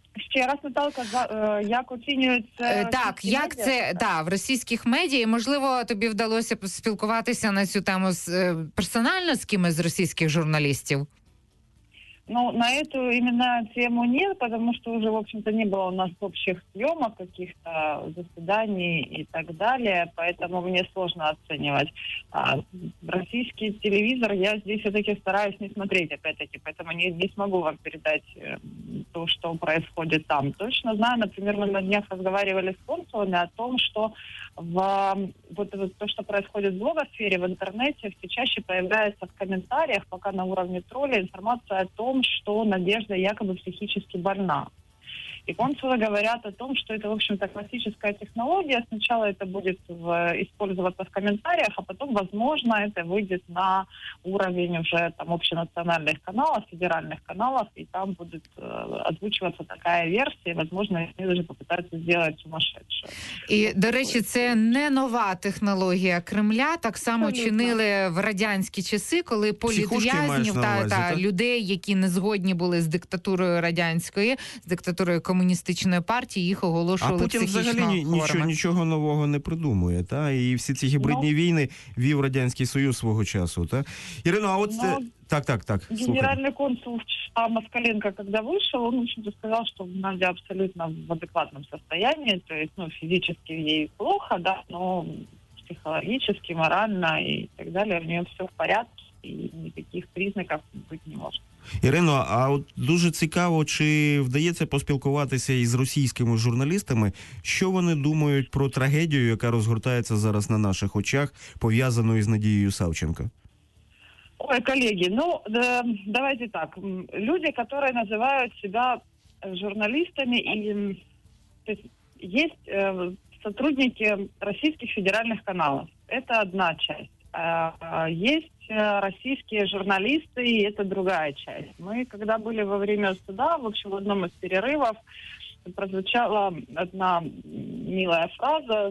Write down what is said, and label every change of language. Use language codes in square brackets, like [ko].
[uk] Ще раз, Наталка, як оцінюється так, як медіа? Це да, в російських медіа, і, можливо, тобі вдалося спілкуватися на цю тему з персонально з кимось з російських журналістів? [ru] Ну, на эту именно тему нет, потому что уже, в общем-то, не было у нас общих съемок, каких-то заседаний и так далее, поэтому мне сложно оценивать. А российский телевизор я здесь все-таки стараюсь не смотреть, опять-таки, поэтому не смогу вам передать то, что происходит там. Точно знаю, например, мы на днях разговаривали с консулами о том, что вот то, что происходит в блогосфере, в интернете, все чаще появляется в комментариях, пока на уровне тролля, информация о том, что Надежда якобы психически больна. И консулы говорят о том, что это, в общем-то, классическая технология. Сначала это будет использоваться в комментариях, а потом, возможно, это выйдет на уровень уже там общенациональных каналов, федеральных каналов, и там будет озвучиваться такая версия. Возможно, они даже попытаются сделать сумасшедшую. И, [uk] до речи, [ru] это не нова технология Кремля. [uk] Так само чинили в радянські часи, коли політв'язнів та людей, які не згодні були з диктатурою радянської, з диктатурою комуністичної партії, їх оголошували психічно хворими. А Путін взагалі нічого нового не придумує, та? І всі ці гібридні війни вів Радянський Союз свого часу, та? Ірино, а от... Так. [ru] Генеральний консул Москаленко, когда вышел, он, в общем-то, сказал, что Надя абсолютно в адекватном состоянии, то есть, ну, физически ей плохо, да, но психологически, морально и так далее, у нее все в порядке, и никаких признаков быть не может. [uk] Ірино, а от дуже цікаво, чи вдається поспілкуватися із російськими журналістами, що вони думають про трагедію, яка розгортається зараз на наших очах, пов'язану із Надією Савченко? Ой, колеги, ну, давайте так. Люди, які називають себе [ru] журналистами, и то есть сотрудники российских федеральных каналов. Это одна часть. Есть российские журналисты, и это другая часть. Мы, когда были во время суда, в общем, в одном из перерывов, прозвучала одна милая фраза.